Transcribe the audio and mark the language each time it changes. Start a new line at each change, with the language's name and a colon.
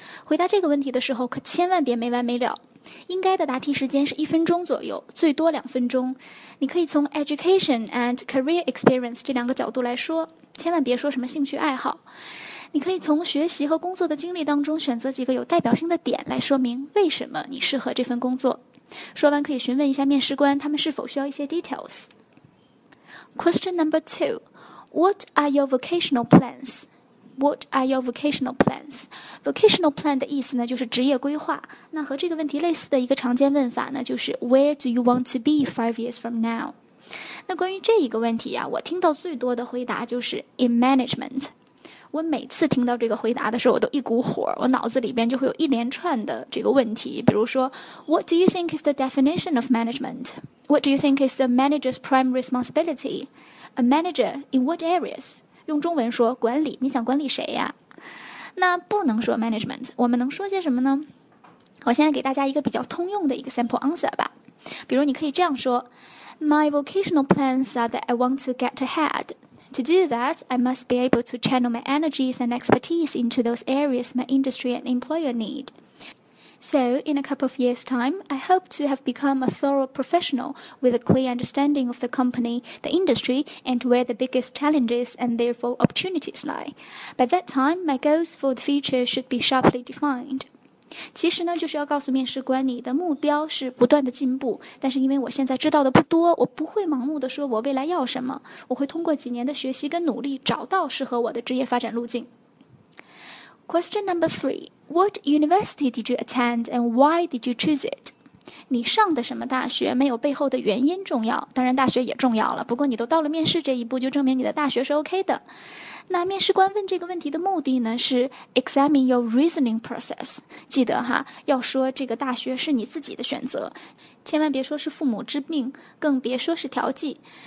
Chinese: 回答这个问题的时候可千万别没完没了。应该的答题时间是一分钟左右，最多两分钟。你可以从
English: education and career experience
Chinese: 这两个角度来说，千万别说什么兴趣爱好。你可以从学习和工作的经历当中选择几个有代表性的点来说明为什么你适合这份工作。说完可以询问一下面试官他们是否需要一些 details。
English: Question number two, What are your vocational plans? What are your vocational plans? Vocational plan
Chinese: 的意思呢，就是职业规划。那和这个问题类似的一个常见问法呢，就是
English: Where do you want to be 5 years from now?
Chinese: 那关于这一个问题啊，我听到最多的回答就是
English: In management.
Chinese: 我每次听到这个回答的时候，我都一股火，我脑子里边就会有一连串的这个问题，比如说
English: What do you think is the definition of management? What do you think is the manager's prime responsibility? A manager in what areas?
Chinese: 用中文说管理，你想管理谁呀？那不能说 management， 我们能说些什么呢？我现在给大家一个比较通用的一个 sample answer 吧。比如你可以这样说
English: ：My vocational plans are that I want to get ahead. To do that, I must be able to channel my energies and expertise into those areas my industry and employer need. So, in a couple of years' time, I hope to have become a thorough professional with a clear understanding of the company, the industry, and where the biggest challenges and therefore opportunities lie. By that time, my goals for the future should be sharply defined.
Chinese: 其实呢，就是要告诉面试官你的目标是不断的进步，但是因为我现在知道的不多，我不会盲目的说我未来要什么，我会通过几年的学习跟努力找到适合我的职业发展路径。
English: Question number three, what university did you attend and why did you choose it?
Chinese: 你上的什么大学没有背后的原因重要，当然大学也重要了，不过你都到了面试这一步，就证明你的大学是 OK 的。那面试官问这个问题的目的呢，是
English: examine your reasoning process.
Chinese: 记得哈，要说这个大学是你自己的选择，千万别说是父母之命，更别说是调剂。